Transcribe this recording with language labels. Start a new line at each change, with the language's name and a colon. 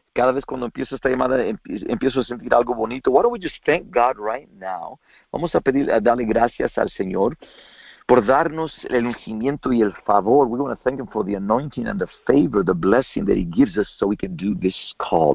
Spanish: Cada vez cuando empiezo esta llamada, empiezo a sentir algo bonito.
English: Why don't we just thank God right now?
Spanish: Vamos a pedir, a darle gracias al Señor por darnos el ungimiento y el favor.
English: We want to thank Him for the anointing and the favor, the blessing that He gives us so we can do this call.